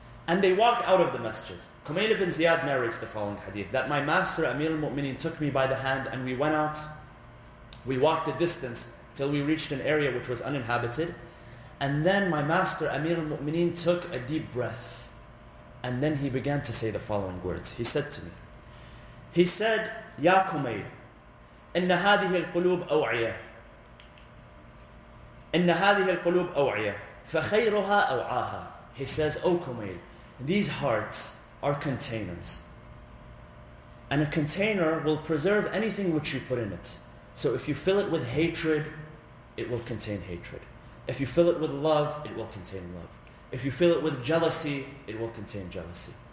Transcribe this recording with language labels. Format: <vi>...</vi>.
<en>And they walk out of the masjid. Kumail ibn Ziyad narrates the following hadith, that my master Amir al-Mu'mineen took me by the hand and we went out, we walked a distance till we reached an area which was uninhabited. And then my master Amir al-Mu'mineen took a deep breath. And then he began to say the following words. He said to me, he said, Ya Kumail,</en> <ar>إن هذه القلوب أوعية إن هذه القلوب أوعية فخيرها أوعاها.</ar> <en>He says, O Kumail, these hearts are containers. And a container will preserve anything which you put in it. So if you fill it with hatred, it will contain hatred. If you fill it with love, it will contain love. If you fill it with jealousy, it will contain jealousy.</en>